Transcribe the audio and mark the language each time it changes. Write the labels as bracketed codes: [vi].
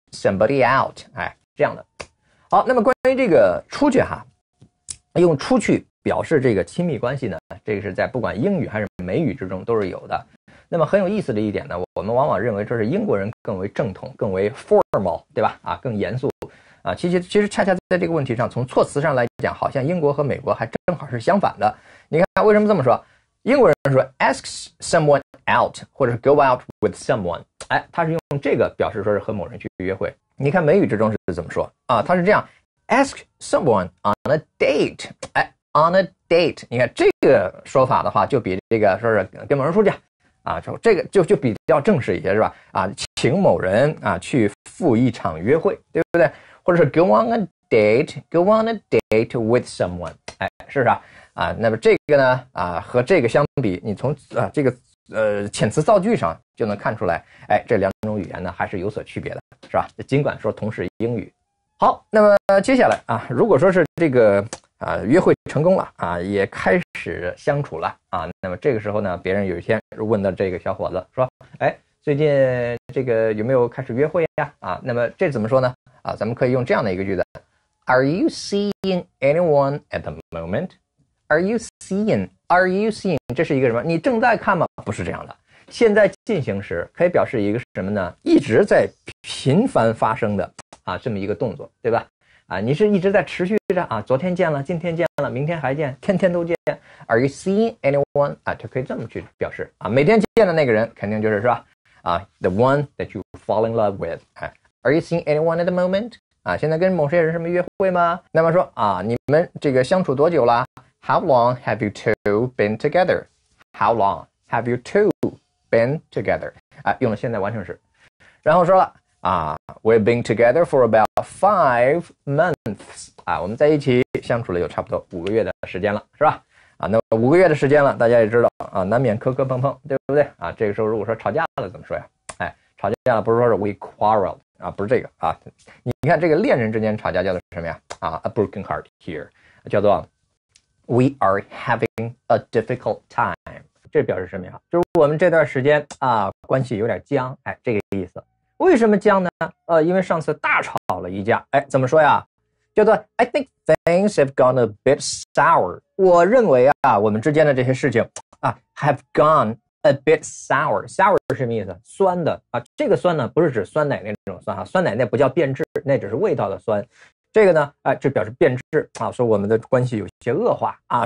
[en] Somebody out, [zh] 哎，这样的。好，那么关于这个出去哈，用出去表示这个亲密关系呢，这个是在不管英语还是美语之中都是有的。那么很有意思的一点呢，我们往往认为这是英国人更为正统，更为 formal, 对吧？啊，更严肃。啊，其实恰恰在这个问题上，从措辞上来讲，好像英国和美国还正好是相反的。你看为什么这么说？英国人说 [en] ask someone out, [zh] 或者是 [en] go out with someone。 [zh] 哎，他是用这个表示说是和某人去约会。你看美语之中是怎么说啊？他是这样 [en] ，ask someone on a date。哎 ，on a date。 [zh] 你看这个说法的话，就比这个说是跟某人出去啊，就这个就比较正式一些，是吧？啊，请某人啊去赴一场约会，对不对？或者是 [en] go on a date， go on a date with someone。 [zh] 哎，是不是啊？啊，那么这个呢啊和这个相比，你从啊这个。遣词造句上就能看出来，哎，这两种语言呢还是有所区别的，是吧？尽管说同是英语。好，那么接下来啊，如果说是这个啊约会成功了啊，也开始相处了啊，那么这个时候呢，别人有一天问到这个小伙子说，哎，最近这个有没有开始约会呀？啊，那么这怎么说呢？啊，咱们可以用这样的一个句子 ： [en] Are you seeing anyone at the moment？ Are you seeing? Are you seeing? [zh] 这是一个什么？你正在看吗？不是这样的。现在进行时可以表示一个什么呢？一直在频繁发生的啊，这么一个动作，对吧？啊，你是一直在持续着啊，昨天见了，今天见了，明天还见，天天都见。 [en] Are you seeing anyone? [zh] 啊，就可以这么去表示啊，每天见的那个人肯定就是是吧？ [en] 啊 ，the one that you fall in love with. Are you seeing anyone at the moment? [zh] 啊，现在跟某些人什么约会吗？那么说啊，你们这个相处多久了？ [en] How long have you two been together? How long have you two been together? [zh] 啊，用了现在完成时。然后说了啊 [en] ，We've been together for about 5 months. [zh] 啊，我们在一起相处了有差不多5个月的时间了，是吧？啊，那么5个月的时间了，大家也知道啊，难免磕磕碰碰，对不对？啊，这个时候如果说吵架了怎么说呀？哎，吵架了不是说是 [en] we quarreled [zh] 啊，不是这个啊。你看这个恋人之间吵架叫做什么呀？ [en] 啊 ，a broken heart here， [zh] 叫做。 [en] We are having a difficult time. [zh] 这表示什么呀？就是我们这段时间啊，关系有点僵。哎，这个意思。为什么僵呢？因为上次大吵了一架。哎，怎么说呀？叫做 [en] I think things have gone a bit sour. [zh] 我认为啊，我们之间的这些事情啊 ， [en] have gone a bit sour. [zh] Sour 是什么意思？酸的啊。这个酸呢，不是指酸奶那种酸哈，酸奶那不叫变质，那只是味道的酸。这个呢，哎，就表示变质啊，说我们的关系有些恶化啊。